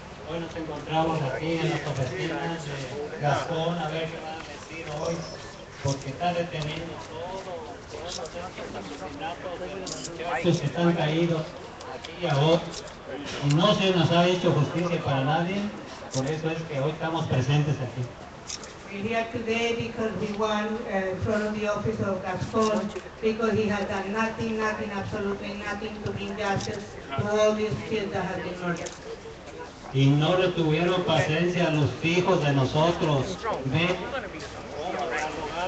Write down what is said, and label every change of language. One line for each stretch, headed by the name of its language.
Spanish: Hoy nos encontramos aquí en las oficinas de Gascon a ver qué van a decir hoy, porque está detenido todo, todos los asesinatos que están caídos aquí y ahora, y no se nos ha hecho justicia para nadie. Por eso es que hoy estamos presentes aquí.
English: We're here today because we won in front of the office of Gascon, because he has done nothing, nothing, absolutely nothing to bring justice to all these kids that have been murdered.
Spanish: Y no le tuvieron paciencia a los hijos de nosotros. Ven a